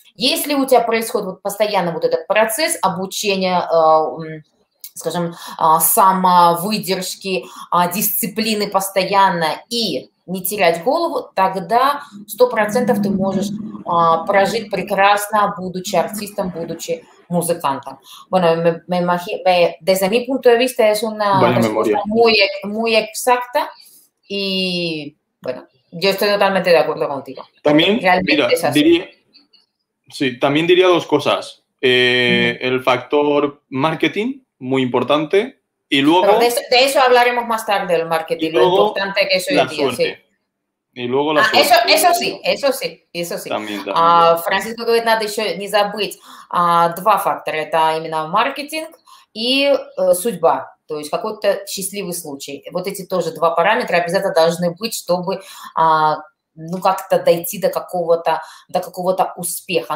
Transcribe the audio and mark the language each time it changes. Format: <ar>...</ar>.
<ru>Если у тебя происходит вот постоянно вот этот процесс обучения, скажем, самовыдержки, дисциплины постоянно и не терять голову, тогда 100% ты можешь прожить прекрасно, будучи артистом, будучи музыкантом.</ru> <es>Bueno, me imagino, desde mi punto de vista es una respuesta muy, muy exacta y bueno, yo estoy totalmente de acuerdo contigo. También, mira, diría, sí, también diría dos cosas. El factor marketing, muy importante, y luego... Pero de eso hablaremos más tarde, el marketing, y luego, lo importante que es hoy día, suerte. Sí.</es> <ru>И</ru> <es>luego la Eso sí.</es> <ru>Франциско говорит, надо еще не забыть два фактора. Это именно маркетинг и судьба, то есть какой-то счастливый случай. Вот эти тоже два параметра обязательно должны быть, чтобы ну, как-то дойти до какого-то успеха.</ru>